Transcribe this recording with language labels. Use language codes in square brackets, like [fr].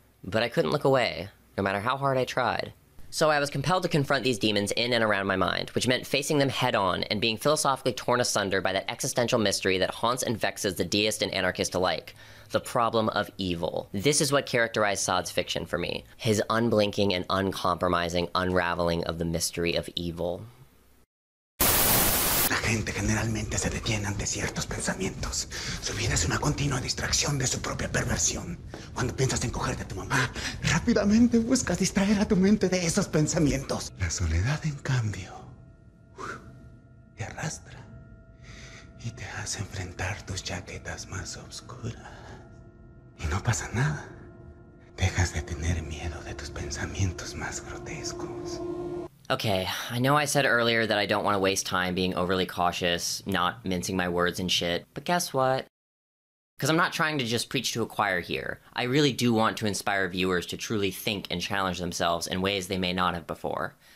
[en] But I couldn't look away, no matter how hard I tried. So I was compelled to confront these demons in and around my mind, which meant facing them head-on and being philosophically torn asunder by that existential mystery that haunts and vexes the deist and anarchist alike, the problem of evil. This is what characterized Sade's fiction for me, his unblinking and uncompromising unraveling of the mystery of evil. [es] La gente generalmente se detiene ante ciertos pensamientos. Su vida es una continua distracción de su propia perversión. Cuando piensas en cogerte a tu mamá, rápidamente buscas distraer a tu mente de esos pensamientos. La soledad, en cambio, te arrastra y te hace enfrentar tus chaquetas más oscuras. Y no pasa nada. Dejas de tener miedo de tus pensamientos más grotescos. [en] Okay, I know I said earlier that I don't want to waste time being overly cautious, not mincing my words and shit, but guess what? Because I'm not trying to just preach to a choir here. I really do want to inspire viewers to truly think and challenge themselves in ways they may not have before.